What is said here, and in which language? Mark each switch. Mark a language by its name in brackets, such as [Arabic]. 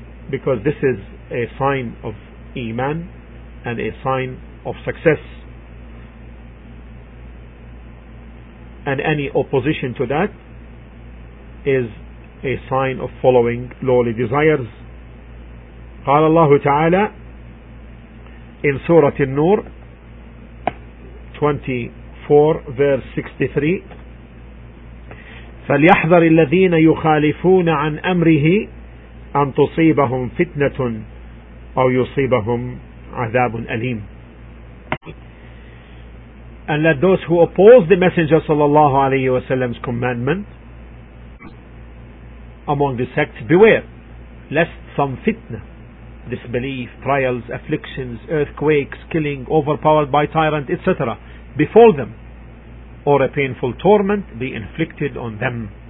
[English] because this is a sign of Iman and a sign of success, and any opposition to that is a sign of following lowly desires. [Arabic] قال الله تعالى [English] in Surah An-Nur 24:63, [Arabic] فليحذر الذين يخالفون عن أمره أن تصيبهم فتنة أو يصيبهم عذاب أليم. [English] And let those who oppose the Messenger sallallahu alayhi wa sallam's commandment among the sects beware lest some fitna, disbelief, trials, afflictions, earthquakes, killing, overpowered by tyrant, etc., befall them, or a painful torment be inflicted on them.